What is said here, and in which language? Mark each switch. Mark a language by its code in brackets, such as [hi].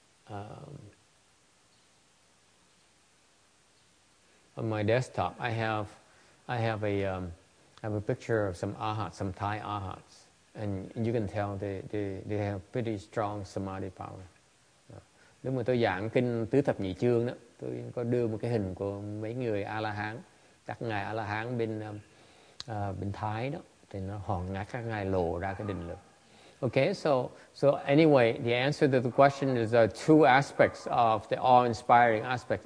[en] On my desktop, I have a picture of some ahats, some Thai ahats, and you can tell they have pretty strong samadhi power. [vi] Lúc mà tôi giảng kinh tứ thập nhị chương đó, tôi có đưa một cái hình của mấy người A-la-hán, các ngài A-la-hán bên Thái đó, thì nó hoàn ngã các ngài lộ ra cái định lực. [en] Okay, so anyway, the answer to the question is two aspects of the awe-inspiring aspect.